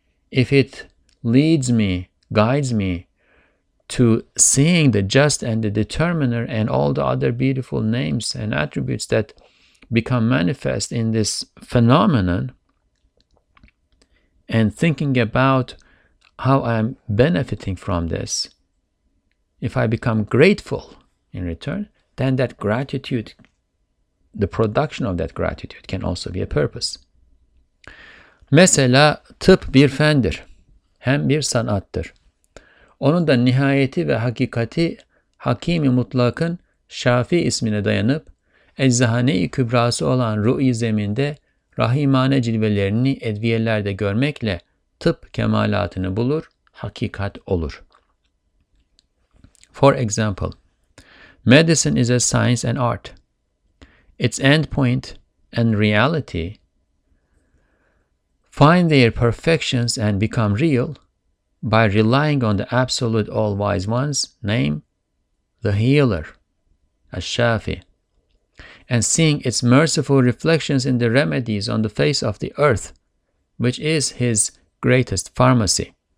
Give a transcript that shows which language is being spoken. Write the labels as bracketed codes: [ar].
[en] If it leads me, guides me to seeing the just and the determiner and all the other beautiful names and attributes that become manifest in this phenomenon, and thinking about how I'm benefiting from this, if I become grateful in return, then that gratitude, the production of that gratitude can also be a purpose. [tr] Mesela tıp bir fendir, hem bir sanattır. Onun da nihayeti ve hakikati Hakimi Mutlak'ın Şafi ismine dayanıp Eczahane-i Kübrası olan Ru'i Zemin'de rahimane cilvelerini edviyelerde görmekle tıp kemalatını bulur, hakikat olur. [en] For example, medicine is a science and art. Its endpoint and reality find their perfections and become real by relying on the absolute all-wise one's name, the healer, Ash-Shafi, and seeing its merciful reflections in the remedies on the face of the earth, which is his greatest pharmacy.